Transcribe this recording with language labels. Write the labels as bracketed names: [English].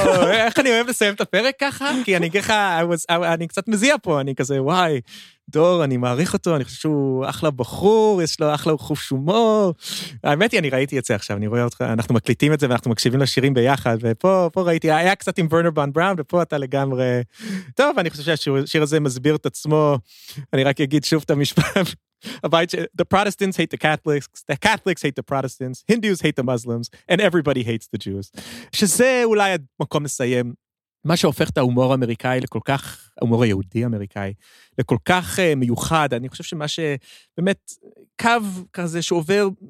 [Hebrew] איך אני אוהב לסיים את הפרק ככה? כי אני ככה, אני קצת מזיע פה, אני כזה, וואי, דור, אני מעריך אותו, אני חושב שהוא אחלה בחור, יש לו אחלה חוש הומור. האמת היא, אני ראיתי את זה עכשיו, אני רואה אותך, אנחנו מקליטים את זה, ואנחנו מקשיבים לשירים ביחד, ופה ראיתי, היה קצת עם ורנר בון בראון, ופה אתה לגמרי... טוב, אני חושב שהשיר הזה מסביר את עצמו, אני רק אגיד שוב את המשפט. [English] The Protestants hate the Catholics hate the Protestants, Hindus hate the Muslims, and everybody hates the Jews. [Hebrew] שזה אולי המקום לסיים. מה שהופך את ההומור האמריקאי לכל כך, ההומור היהודי האמריקאי, לכל כך מיוחד, אני חושב שמה שבאמת קו כזה שעובר